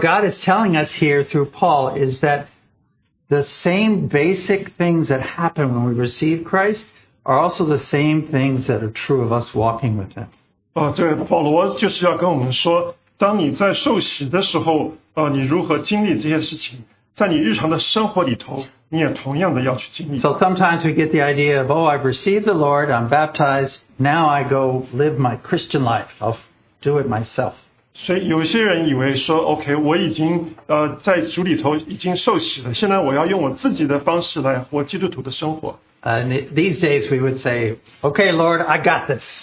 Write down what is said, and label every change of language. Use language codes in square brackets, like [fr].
[en] God is telling us here through Paul is that the same basic things that happen when we receive Christ are also the same things that are true of us walking with him. [zh] 对，保罗就是要跟我们说。当你在受洗的时候，你如何经历这些事情，在你日常的生活里头，你也同样的要去经历。 [en] So sometimes we get the idea of, oh, I've received the Lord, I'm baptized, now I go live my Christian life, I'll do it myself. [zh] 所以有些人以为说, okay, 我已经在主里头已经受洗了，现在我要用我自己的方式来活基督徒的生活。 [en] And these days we would say, okay, Lord, I got this.